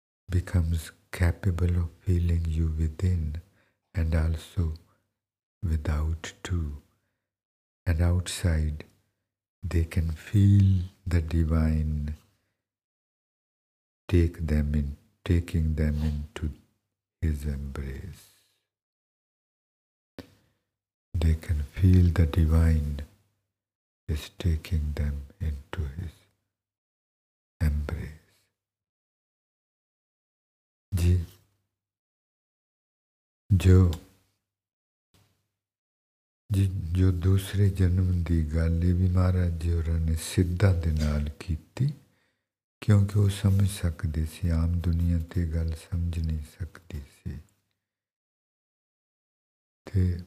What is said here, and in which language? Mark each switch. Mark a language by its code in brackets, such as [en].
[en] becomes capable of feeling you within and also without too, and outside they can feel the divine taking them into his embrace. They can feel the divine is taking them into his embrace. [pa] Ji, jo ਜੋ ਦੂਸਰੇ ਜਨਮ ਦੀ ਗੱਲ ਇਹ ਵੀ ਮਹਾਰਾਜ ਜੀ ਹੋਰਾਂ ਨੇ ਸਿੱਧਾਂ ਦੇ ਨਾਲ ਕੀਤੀ ਕਿਉਂਕਿ ਉਹ ਸਮਝ ਸਕਦੇ ਸੀ ਆਮ ਦੁਨੀਆ 'ਤੇ ਗੱਲ ਸਮਝ ਨਹੀਂ ਸਕਦੀ ਸੀ ਅਤੇ